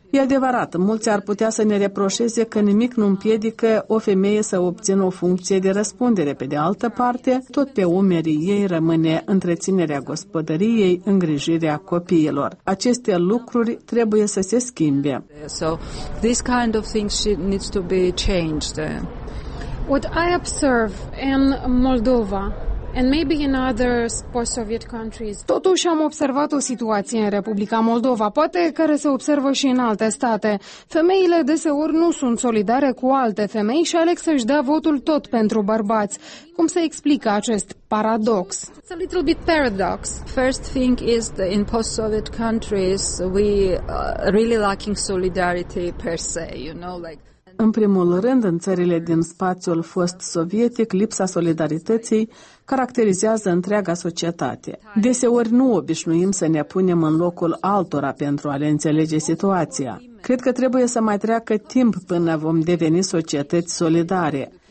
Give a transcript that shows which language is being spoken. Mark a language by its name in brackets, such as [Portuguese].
[Romanian] E adevărat, mulți ar putea să ne reproșeze că nimic nu împiedică o femeie să obțină o funcție de răspundere. Pe de altă parte, tot pe umerii ei rămâne întreținerea gospodăriei, îngrijirea copiilor. Aceste lucruri trebuie să se schimbe. [English] So, this kind of things needs to be changed. What I observe in Moldova and maybe in other post-Soviet countries. [Romanian] Totuși am observat o situație în Republica Moldova, poate care se observă și în alte state. Femeile deseori nu sunt solidare cu alte femei și aleg să-și dea votul tot pentru bărbați. Cum se explică acest paradox? [English] It's a little bit paradox. First thing is that in post-Soviet countries we are really lacking solidarity per se, you know, like. [Romanian] În primul rând, în țările din spațiul fost sovietic, lipsa solidarității caracterizează întreaga societate. Deseori nu obișnuim să ne punem în locul altora pentru a le înțelege situația. Cred că trebuie să mai treacă timp până vom deveni societăți solidare.